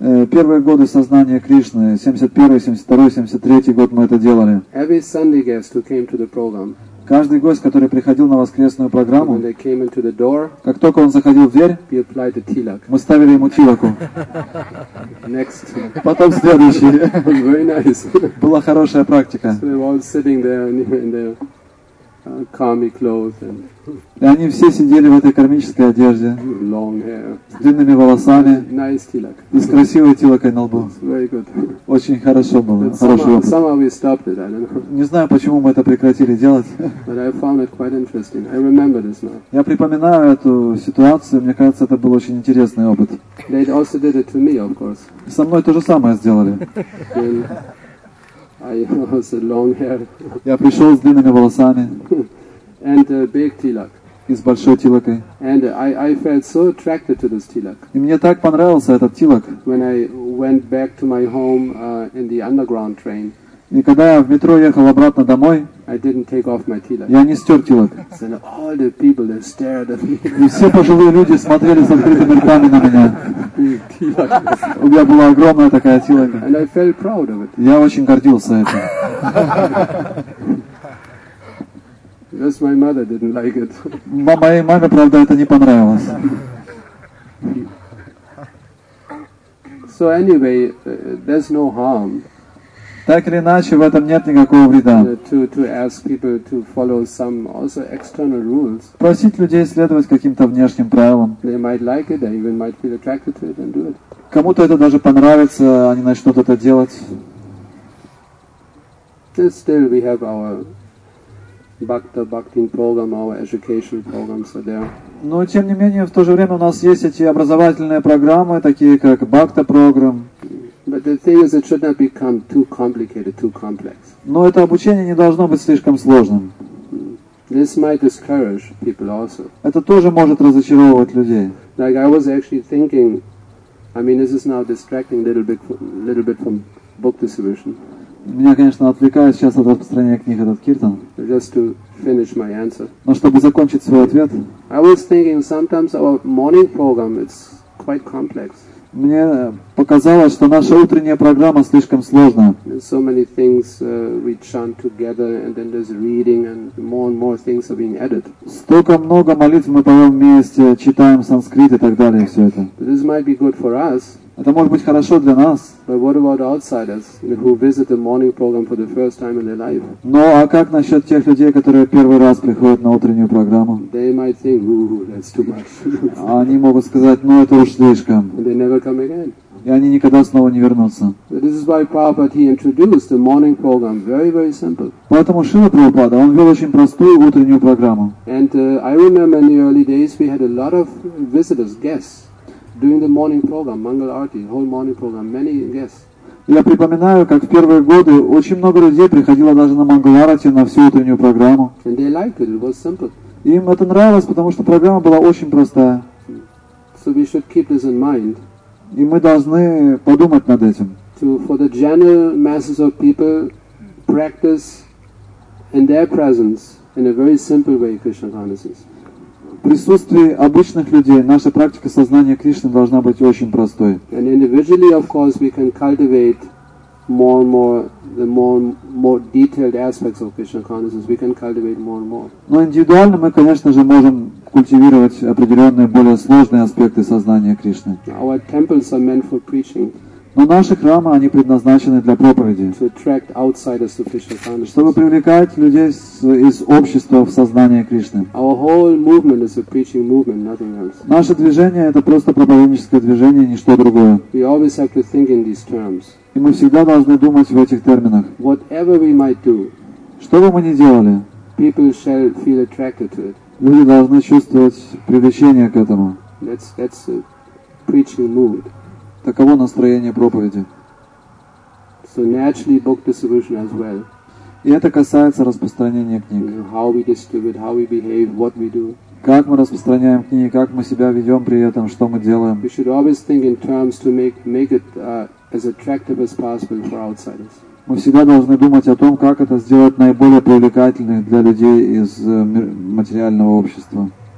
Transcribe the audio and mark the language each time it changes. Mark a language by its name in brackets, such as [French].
[Russian] Первые годы сознания Кришны, 71, 72, 73 год мы это делали. [English] Every Sunday guest who came to the program. [Russian] Каждый гость, который приходил на воскресную программу, [English] door, [Russian] как только он заходил в дверь, мы ставили ему тилаку. [English] Next. [Russian] Потом следующий. [English] Very nice. [Russian] Была хорошая практика. [English] So they were all sitting there in the Karmi clothes and. [Russian] И они все сидели в этой кармической одежде, [English] long hair, [Russian] с длинными волосами, [English] nice tilak, [Russian] и с красивой тилакой на лбу. [English] Very good. [Russian] Очень хорошо было. [English] Somehow we stopped it, I don't know. [Russian] Не знаю, почему мы это прекратили делать. [English] But I found it quite interesting. I remember this now. [Russian] Я припоминаю эту ситуацию. Мне кажется, это был очень интересный опыт. [English] They also did it to me, of course. [Russian] Со мной то же самое сделали. [English] Then I was a long hair. [Russian] Я пришел с длинными волосами. [English] And a big tilak. [Russian] И с большой тилакой. [English] And I felt so attracted to this tilak. [Russian] И мне так понравился этот тилак. [English] When I went back to my home in the underground train. [Russian] И когда я в метро ехал обратно домой. [English] I didn't take off my tilak. [Russian] Я не стер тилак. [English] So all the people that stared at me. [Russian] И все пожилые люди смотрели с открытыми ртами на меня. [English] Tilak. [Russian] У меня была огромная такая тилака. [English] And I felt proud of it. [Russian] Я очень гордился этим. [English] Just my mother didn't like it. [Russian] Моей маме, правда, это не понравилось. [English] So anyway, there's no harm. [Russian] Так или иначе, в этом нет никакого вреда. [English] To ask people to follow some also external rules. [Russian] Просить людей следовать каким-то внешним правилам. [English] They might like it, they even might feel attracted to it and do it. [Russian] Кому-то это даже понравится, они начнут это делать. [English] But still, we have our Bhakti program, our education programs are there. [Russian] Но тем не менее, в то же время у нас есть эти образовательные программы, такие как Bhakti program. [English] But the thing is, it should not become too complicated, too complex. [Russian] Но это обучение не должно быть слишком сложным. [English] This might discourage people also. [Russian] Это тоже может разочаровывать людей. [English] Like I was actually thinking, I mean, this is now distracting a little bit from book distribution. [Russian] Меня, конечно, отвлекает сейчас от распространения книг этот киртан. [English] Just to finish my answer. [Russian] Но чтобы закончить свой ответ. [English] I was thinking sometimes our morning program is quite complex. [Russian] Мне показалось, что наша утренняя программа слишком сложная. [English] There's so many things we chant together, and then there's reading, and more things are being added. [Russian] Столько много молитв мы поем вместе, читаем санскрит и так далее, все это. [English] But this might be good for us. [Russian] Это может быть хорошо для нас. [English] But what about outsiders who visit the morning program for the first time in their life? [Russian] Но а как насчет тех людей, которые первый раз приходят на утреннюю программу? [English] They might think, ooh, that's too much. [Russian] Они могут сказать, ну это уж слишком. [English] And they never come again. [Russian] И они никогда снова не вернутся. [English] This is why Prabhupada, he introduced the morning program very, very simple. [Russian] Поэтому Шрила Прабхупада, он ввел очень простую утреннюю программу. [English] And I remember in the early days we had a lot of visitors, guests. During the morning program, Mangal Arati, whole morning program, many guests. [Russian] Я припоминаю, как в первые годы очень много людей приходило даже на Мангал Арати, на всю утреннюю программу. [English] And they liked it. It was simple. [Russian] Им это нравилось, потому что программа была очень простая. [English] So we should keep this in mind. [Russian] И мы должны подумать над этим. [English] To for the general masses of people, practice in their presence in a very simple way, Krishna consciousness. [Russian] В присутствии обычных людей наша практика сознания Кришны должна быть очень простой. [English] And individually, of course, we can cultivate more and more the more detailed aspects of Krishna consciousness. We can cultivate more and more. [Russian] Но индивидуально мы, конечно же, можем культивировать определенные более сложные аспекты сознания Кришны. [English] Our temples are meant for preaching. [Russian] Но наши храмы, они предназначены для проповеди. [English] To attract outsiders to Krishna consciousness. [Russian] Чтобы привлекать людей из общества в сознание Кришны. [English] Our whole movement is a preaching movement, nothing else. [Russian] Наше движение – это просто проповедническое движение, ничто другое. [English] We always have to think in these terms. [Russian] И мы всегда должны думать в этих терминах. [English] Whatever we might do, [Russian] что бы мы ни делали, [English] people shall feel attracted to it. [Russian] Люди должны чувствовать привлечение к этому. [English] That's a preaching mood. [Russian] Таково настроение проповеди. [English] So naturally book distribution as well. [Russian] И это касается распространения книг. [English] How we distribute, how we behave, what we do. [Russian] Как мы распространяем книги, как мы себя ведем при этом, что мы делаем. [English] We should always think in terms to make it as attractive as possible for outsiders. [Russian] Мы всегда должны думать о том, как это сделать наиболее привлекательным для людей из материального общества.